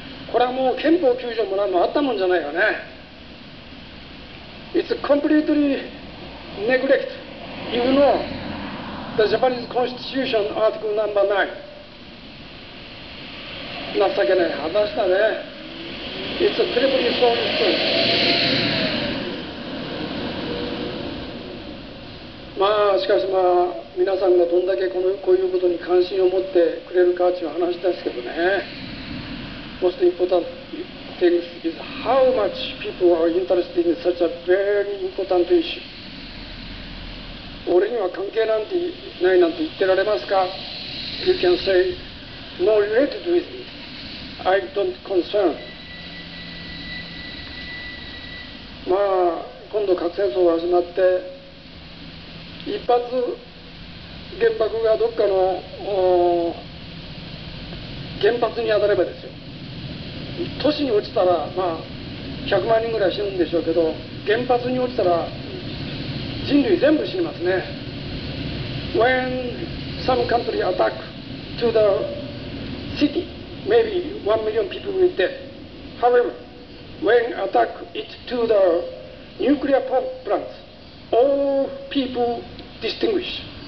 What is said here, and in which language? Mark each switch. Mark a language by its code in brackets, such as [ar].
[ja] これはもう憲法9条もなんもあったもんじゃないよね。 [en] It's completely neglect, even though the Japanese Constitution Article No. 9. [ja] 情けない話だね。 [en] It's a terribly sorry story. [ja] まあ、しかしまあ、皆さんがどんだけこういうことに関心を持ってくれるかという話ですけどね。 [en] Most important thing is how much people are interested in such a very important issue. [ja] 俺には関係なんてないなんて言ってられますか? [en] You can say, no related with me. I don't concern. [ja] まあ、今度核戦争が始まって、一発原爆がどっかの原発に当たればですよ。都市に落ちたら、まあ、100万人ぐらい死ぬんでしょうけど、原発に落ちたら人類全部死にますね。 [en] When some country attack to the city, maybe 1 million people will die. However, when attack it to the nuclear power plants, all people distinguish.